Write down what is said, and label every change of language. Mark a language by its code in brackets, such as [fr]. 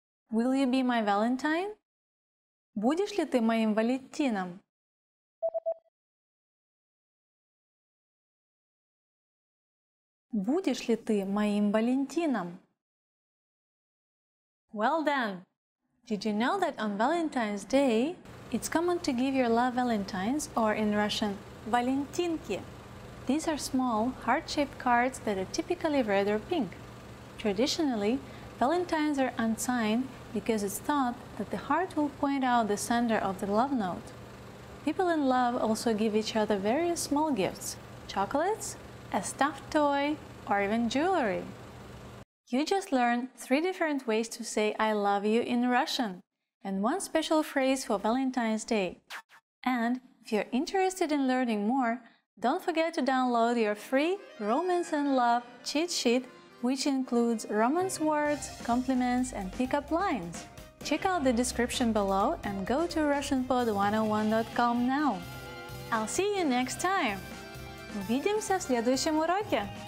[en] Will you be my Valentine? [ru] Будешь ли ты моим Валентином? Будешь ли ты моим Валентином? [en] Well done! Did you know that on Valentine's Day, it's common to give your love Valentines, or in Russian, Valentinki? These are small, heart-shaped cards that are typically red or pink. Traditionally, Valentines are unsigned because it's thought that the heart will point out the sender of the love note. People in love also give each other various small gifts, chocolates, a stuffed toy, or even jewelry. You just learned three different ways to say I love you in Russian, and one special phrase for Valentine's Day. And if you're interested in learning more, don't forget to download your free Romance and Love cheat sheet, which includes romance words, compliments, and pickup lines. Check out the description below and go to RussianPod101.com now. I'll see you next time! [ru] Увидимся в следующем уроке!